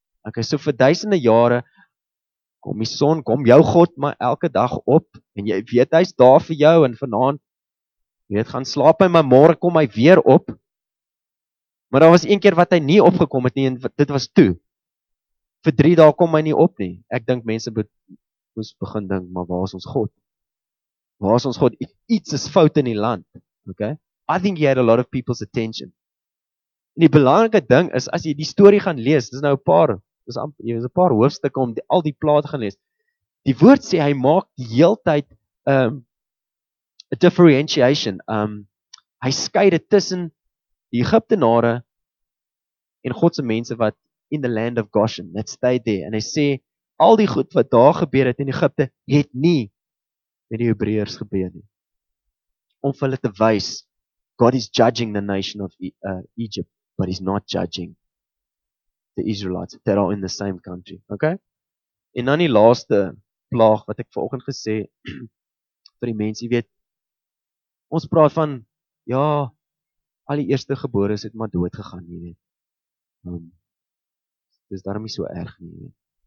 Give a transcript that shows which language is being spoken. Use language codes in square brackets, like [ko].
[af] Okay, so vir duisende jare kom die son, kom jou God maar elke dag op en jy weet hy's daar vir jou en vanaand jy weet gaan slaap hy maar môre kom hy weer op. Maar daar was een keer wat hy nie opgekom het nie en dit was toe. Vir 3 dae kom hy nie op nie. Ek dink mense moes begin dink, maar waar is ons God? Waar is ons God? Iets is fout in die land. Okay? [en] I think he had a lot of people's attention. [af] En die belangrike ding is, as jy die story gaan lees, dis 'n paar hoofstukke om al die plaat gaan lees. Die woord sê, hy maak die heel tyd [en] a differentiation. [af] Hy skei dit tussen die Egiptenare en God se mense wat [en] in the land of Goshen, that stayed there. [af] En hy sê, al die goed wat daar gebeur het in Egipte, het nie met die Hebreërs gebeur nie. Om vir hulle te wys, [en] God is judging the nation of Egypt, but he's not judging the Israelites that are in the same country. Okay? [af] En dan die laaste plaag wat ek vanoggend gesê vir die mense, jy weet, ons praat van, ja, al die eerste geborenes het maar dood gegaan, jy weet. Dis daarom nie so erg nie, jy weet.